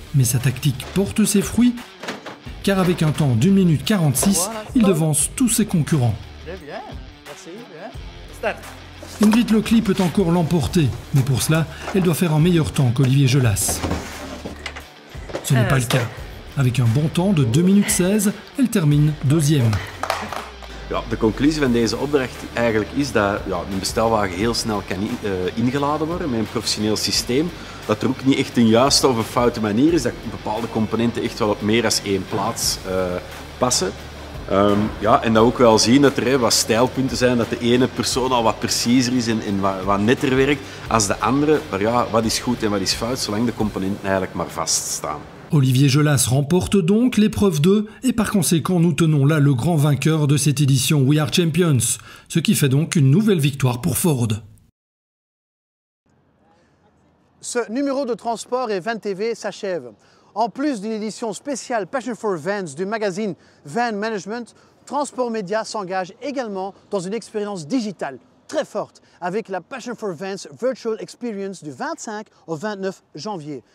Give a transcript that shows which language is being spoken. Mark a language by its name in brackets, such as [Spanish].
[French] Mais sa tactique porte ses fruits, car avec un temps d'1 minute 46, il devance tous ses concurrents. Ingrid Lockley peut encore l'emporter, mais pour cela, elle doit faire un meilleur temps qu'Olivier Gelas. Ce n'est pas le cas. Avec un bon temps de 2 minutes 16, elle termine deuxième. [Dutch] Ja, de conclusie van deze opdracht eigenlijk is dat ja, een bestelwagen heel snel kan ingeladen worden met een professioneel systeem. Dat er ook niet echt een juiste of een foute manier is, dat bepaalde componenten echt wel op meer dan één plaats passen. Ja, en dat ook wel zien dat er wat stijlpunten zijn, dat de ene persoon al wat preciezer is en wat netter werkt als de andere. Maar ja, wat is goed en wat is fout, zolang de componenten eigenlijk maar vaststaan. [French] Olivier Gelas remporte donc l'épreuve 2 et par conséquent nous tenons là le grand vainqueur de cette édition We Are Champions, ce qui fait donc une nouvelle victoire pour Ford. Ce numéro de transport et Van TV s'achève. En plus d'une édition spéciale Passion for Vans du magazine Van Management, Transport Media s'engage également dans une expérience digitale très forte avec la Passion for Vans Virtual Experience du 25 au 29 janvier.